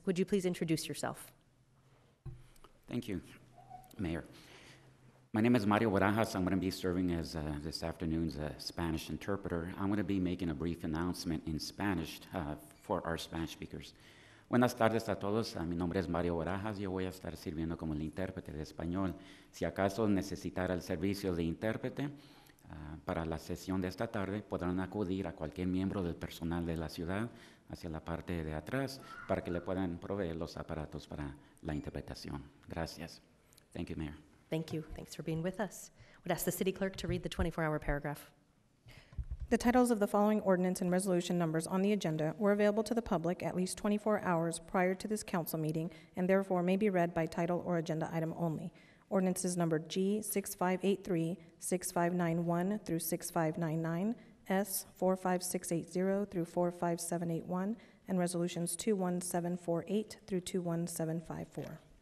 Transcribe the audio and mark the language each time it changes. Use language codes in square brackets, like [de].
[en] Would you please introduce yourself? Thank you, Mayor. My name is Mario Barajas. I'm going to be serving as this afternoon's Spanish interpreter. I'm going to be making a brief announcement in Spanish for our Spanish speakers. [es] Buenas tardes a todos. Mi nombre es Mario Barajas. Yo voy a estar sirviendo como el intérprete de español. Si acaso necesitara el servicio de intérprete, para la sesión de esta tarde, podrán acudir a cualquier miembro del personal de la ciudad hacia la parte de atrás para que le puedan proveer los aparatos para la interpretación. Gracias. [en] Thank you, Mayor. Thank you. Thanks for being with us. Would ask the city clerk to read the 24-hour paragraph. The titles of the following ordinance and resolution numbers on the agenda were available to the public at least 24 hours prior to this council meeting and therefore may be read by title or agenda item only. Ordinances numbered G6583, 6591 through 6599, S45680 through 45781, and resolutions 21748 through 21754.